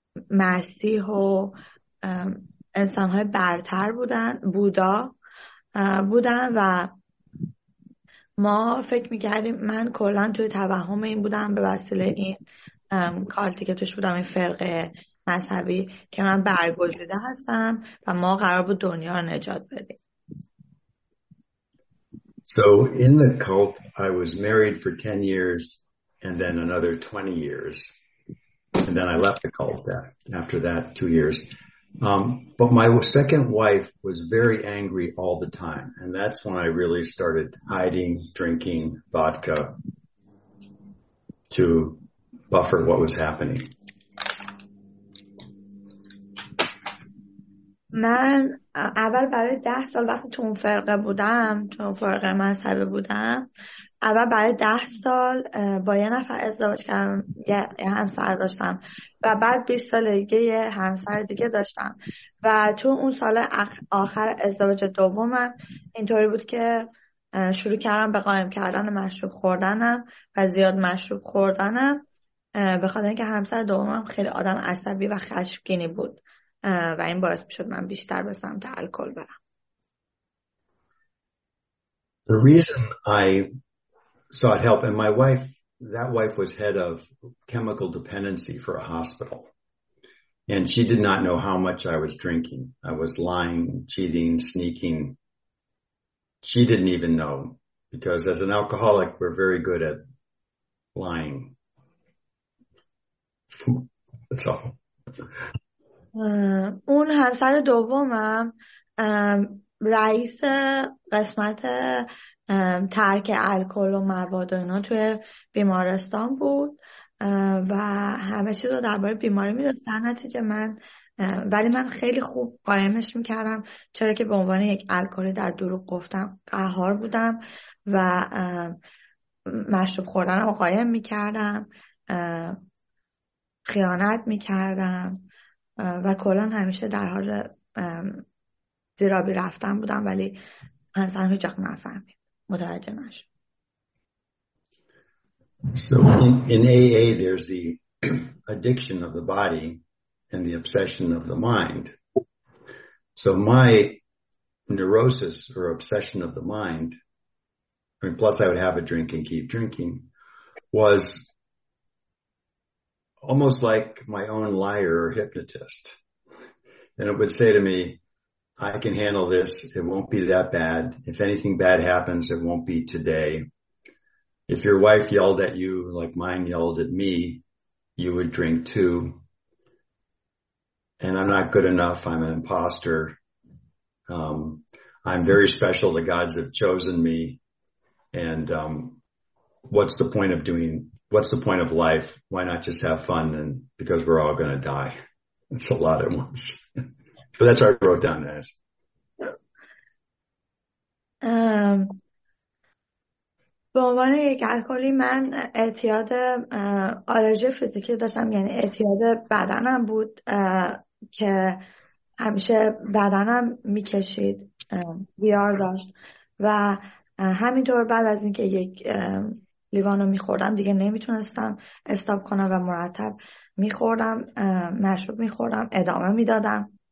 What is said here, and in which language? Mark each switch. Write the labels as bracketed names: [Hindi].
[Persian] مسیح و انسان های برتر بودن، بودا بودن و ما فکر میکردیم. من کلن توی توهم این بودم به وسیله این کالتی که توش بودم، این فرقه مذهبی، که من برگزیده هستم و ما قرار بود دنیا رو نجات بدیم. [English] So in the cult, I was married for 10 years and then another 20 years. And then I left the cult after that 2 years. But my second wife was very angry all the time. And that's when I really started hiding, drinking vodka to buffer what was happening. من اول برای 10 سال وقتی تو اون فرقه بودم، تو اون فرقه مذهبی بودم، اول برای 10 سال با یه نفر ازدواج کردم، یه همسر داشتم و بعد 20 سالگی یه همسر دیگه داشتم و تو اون سال آخر ازدواج دومم اینطوری بود که شروع کردم به قایم کردن مشروب خوردنم و زیاد مشروب خوردنم به خاطر اینکه همسر دومم خیلی آدم عصبی و خشمگینی بود و این باعث می‌شد من بیشتر به سمت الکل برم. The reason I sought help, and my wife, that wife was head of chemical dependency for a hospital, and she did not know how much I was drinking. I was lying, cheating, sneaking. She didn't even know, because as an alcoholic, we're very good at lying. That's all. [Persian] اون همسر دومم رئیس قسمت ترک الکل و مواد و اینا توی بیمارستان بود و همه چیز رو درباره بیماری می‌دونست. نتیجه من ولی من خیلی خوب قایمش می‌کردم، چرا که به عنوان یک الکلی در دروغ گفتم قهار بودم و مشروب خوردنم رو قایم می‌کردم، خیانت می‌کردم و کلان همیشه در حال زیرابی رفتن بودم، ولی همسرم هیچ وقت نفهمید، متوجه نشد. [English] So in AA, there's the addiction of the body and the obsession of the mind. So my neurosis or obsession of the mind, and plus I would have a drink and keep drinking, was almost like my own liar or hypnotist. And it would say to me, I can handle this. It won't be that bad. If anything bad happens, it won't be today. If your wife yelled at you like mine yelled at me, you would drink too. And I'm not good enough. I'm an imposter. I'm very special. The gods have chosen me. And what's the point of doing, what's the point of life? Why not just have fun? And because we're all going to die. It's a lot at once. So that's what I wrote down as. [Persian] به عنوان یک الکلی من اعتیاد آلرژی فیزیکی داشتم، یعنی اعتیاد بدنم بود که همیشه بدنم میکشید، ویار داشت و همینطور بعد از اینکه یک لیوانو میخوردم دیگه نمیتونستم استاپ کنم و مرتب میخوردم، مشروب میخوردم، ادامه میدادم.